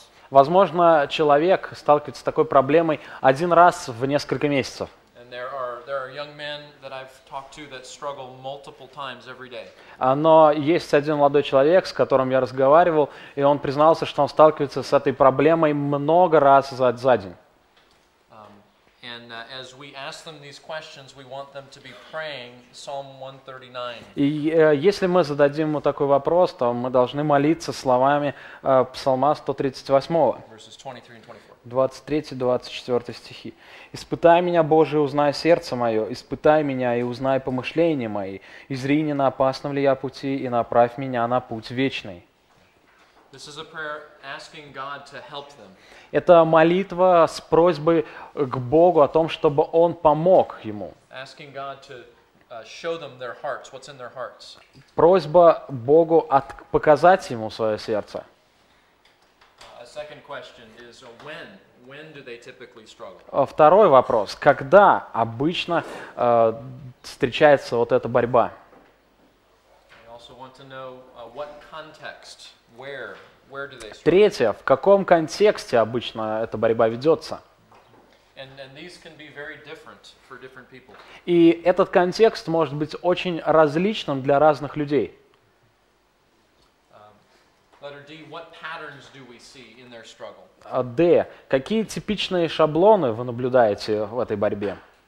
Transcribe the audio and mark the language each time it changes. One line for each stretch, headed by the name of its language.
Russian: Возможно, человек сталкивается с такой проблемой один раз в несколько месяцев. Но есть один молодой человек, с которым я разговаривал, и он признался, что он сталкивается с этой проблемой много раз за день.
English: And as we ask them these questions, we want them to be praying Psalm 139.
Russian: И если мы зададим ему такой вопрос, то мы должны молиться словами Псалма 138.
English: Verses 23 and 24.
Russian: 23-24 стихи. «Испытай меня, Боже, узнай сердце мое, испытай меня и узнай помышления мои, и зри, не на опасном ли я пути, и направь меня на путь вечный».
English: This is a prayer asking God to help them.
Russian: Это молитва с просьбой к Богу о том, чтобы Он помог ему.
English: Asking God to show them their hearts, what's in their hearts.
Russian: Просьба Богу показать ему свое сердце.
English: A second question is when do they typically struggle?
Russian: Второй вопрос: когда обычно встречается вот эта борьба?
English: They also want to know what context. Where do they struggle?
Russian: Третье, в каком контексте обычно эта борьба ведется?
English: And these can be very different for different people.
Russian: И этот контекст может быть очень различным для разных людей.
English: Letter D, what patterns do we see in their struggle?
Russian: D, какие типичные шаблоны вы наблюдаете в этой борьбе?